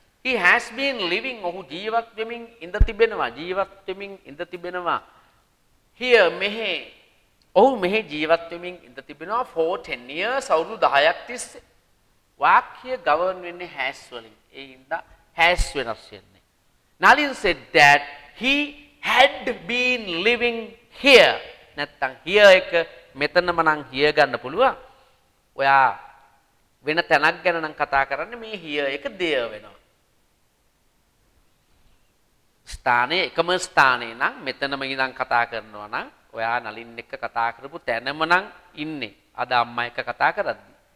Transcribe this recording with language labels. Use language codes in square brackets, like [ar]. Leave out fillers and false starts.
[en] He has been living [si] ඔහු ජීවත් වෙමින් ඉඳ තිබෙනවා ජීවත් වෙමින් ඉඳ තිබෙනවා. Here මෙහෙ ඔහු මෙහෙ ජීවත් වෙමින් ඉඳ තිබෙනවා [en] for 10 years [si] අවුරුදු 10ක් තිස්සේ. වාක්‍ය govern වෙන්නේ has වලින්. ඒ හින්දා has වෙනස් වෙන්නේ. [en] Nalin said that he had been living here. [si] නැත්තම් here එක මෙතනම නම් here ගන්න පුළුවා. ඔයා වෙන තැනක් ගැන නම් කතා කරන්නේ මේ here එක දෙය වෙනවා ස්ථානයේ එකම ස්ථානේ නම් මෙතනම ඉඳන් කතා කරනවා නම් ඔයා නලින් එක්ක කතා කරපු තැනම නම් ඉන්නේ අද අම්මා එක්ක කතා කරද්දි